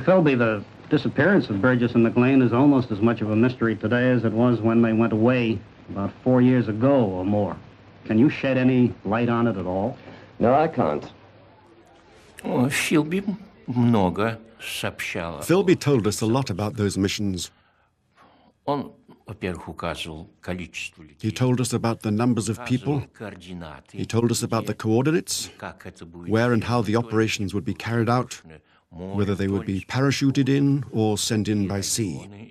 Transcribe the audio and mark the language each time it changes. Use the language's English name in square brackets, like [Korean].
[English] Philby, the disappearance of Burgess and MacLean is almost as much of a mystery today as it was when they went away about 4 years ago or more. Can you shed any light on it at all? No, I can't. [Russian] Philby много сообщал. [English] Philby told us a lot about those missions. [Russian] Он, во-первых, указывал количество людей. [English] He told us about the numbers of people. He told us about the coordinates, where and how the operations would be carried out, whether they would be parachuted in or sent in by sea.